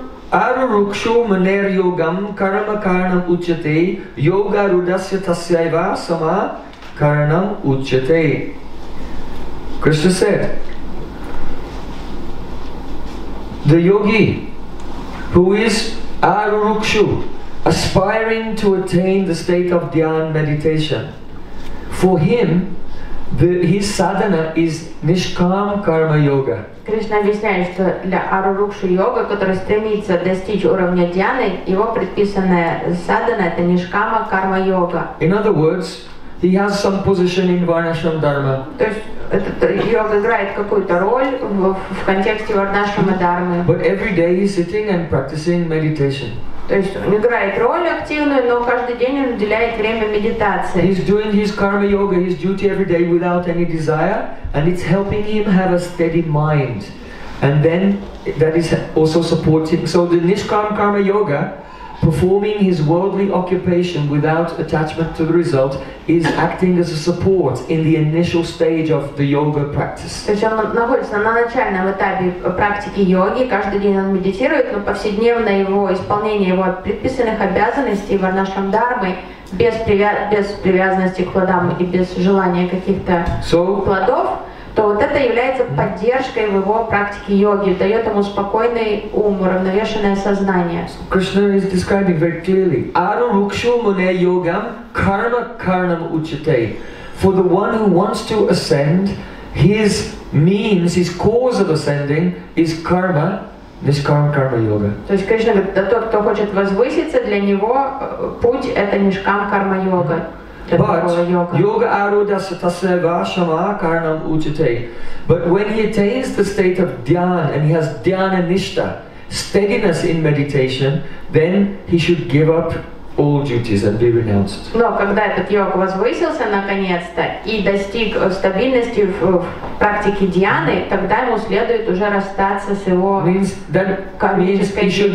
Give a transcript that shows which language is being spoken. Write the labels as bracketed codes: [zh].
[sa] Арукшу манер йогам карма карнам учате йога рудасья тасьяйва сама карнам учате. [en] Krishna said, the yogi who is Arurukshu, aspiring to attain the state of dhyana meditation, for him, his sadhana is Nishkam Karma Yoga. [ru] Krishna объясняет, что для Arurukshu йога, который стремится достичь уровня дьяны, его предписанная sadhana это Nishkama Karma Yoga. [en] In other words, he has some position in Varnashram Dharma. [ru] Этот йог играет какую-то роль в контексте варнашрама дхармы. [en] But every day he's sitting and practicing meditation. [ru] То есть он играет роль активную, но каждый день он уделяет время медитации. [en] He's doing his karma yoga, his duty every day without any desire, and it's helping him have a steady mind. And then that is also supporting. So the Nishkam Karma Yoga, performing his worldly occupation without attachment to the result, is acting as a support in the initial stage of the yoga practice. [ru] То есть он находится на начальном этапе практики йоги, каждый день он медитирует, но повседневное его исполнение его предписанных обязанностей варнашрам дхармы без привязанности к плодам и без желания каких-то плодов. То вот это является поддержкой в его практике йоги, дает ему спокойный ум, уравновешенное сознание. [en] Krishna is describing very clearly. [sa] Arukshu mune yogam karma karnam uchate. [en] For the one who wants to ascend, his means, his cause of ascending is karma, nishkam karma yoga. [ru] То есть Кришна говорит, тот, кто хочет возвыситься, для него путь это нишкам карма йога. [sa] But yoga arudasya tasya vashama karanam uchate. [en] But when he attains the state of dhyana and he has dhyana nishta, steadiness in meditation, then he should give up all duties and be renounced. [ru] Но когда этот йог возвысился наконец-то и достиг стабильности в практике дьяны, тогда ему следует уже расстаться с его кармической